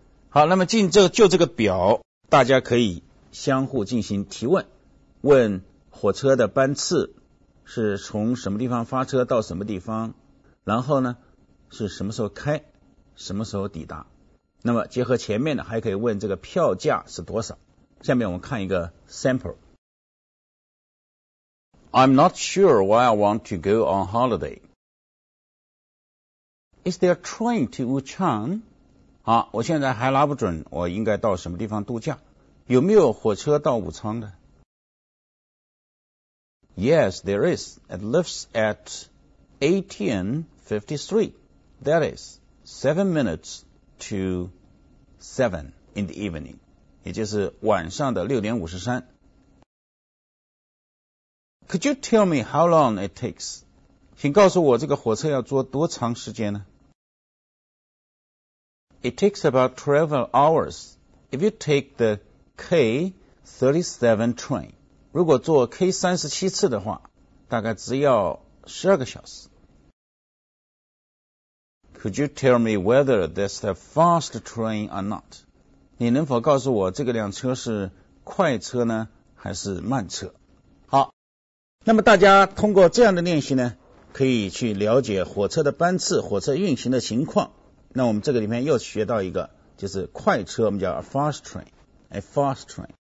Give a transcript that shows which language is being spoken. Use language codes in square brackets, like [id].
[zh] 好，那么就这个表，大家可以相互进行提问，问火车的班次是从什么地方发车到什么地方，然后呢是什么时候开，什么时候抵达。那么结合前面呢，还可以问这个票价是多少。下面我们看一个 sample。 [en] I'm not sure why I want to go on holiday. Is there a train to Wuchang? [zh] 好，我现在还拿不准我应该到什么地方度假。有没有火车到武昌的？ [en] Yes, there is. It leaves at 18:53. That is 7:07 in the evening. [zh] 也就是晚上的6:53。 [en] Could you tell me how long it takes? [zh] 请告诉我这个火车要坐多长时间呢？ [en] It takes about 12 hours if you take the K37 train. [zh] 如果坐 K37 次的话，大概只要12小时。 [en] Could you tell me whether that's a fast train or not? [zh] 你能否告诉我这个辆车是快车呢，还是慢车？好。那么大家通过这样的练习呢，可以去了解火车的班次、火车运行的情况。那我们这个里面又学到一个，就是快车，我们叫 [en] a fast train。